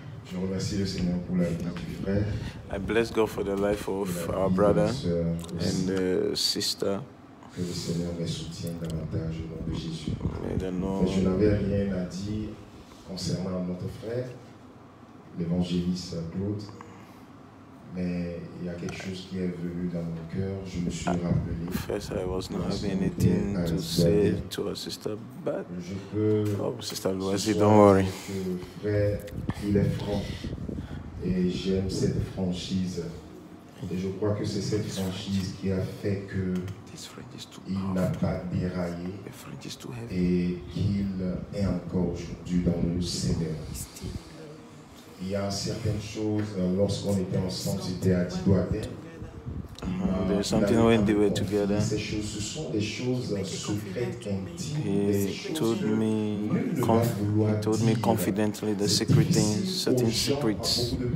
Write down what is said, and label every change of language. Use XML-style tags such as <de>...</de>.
<fr>Je remercie le Seigneur pour la vie du frère.</fr> <en>I bless God for the life of our brother and sister.</en> <fr>Que le Seigneur me soutienne davantage au nom de Jésus. Mais je n'avais rien à dire concernant notre frère, l'évangéliste Claude. Mais il y a quelque chose qui est venu dans mon cœur. Je me suis rappelé.</fr> <en>First, I was not having anything to say to our sister, but Sister Loisy, don't worry.</en> <fr>Frère, il est franc et j'aime cette franchise. Et je crois que c'est cette franchise qui a fait que il n'a pas déraillé et qu'il est encore aujourd'hui dans le Seigneur. Il y a certaines choses lorsqu'on était ensemble, c'était à 10 doigts.</fr> <en>There's something when they were together. He told me, confidently the secret things, certain secrets.</en>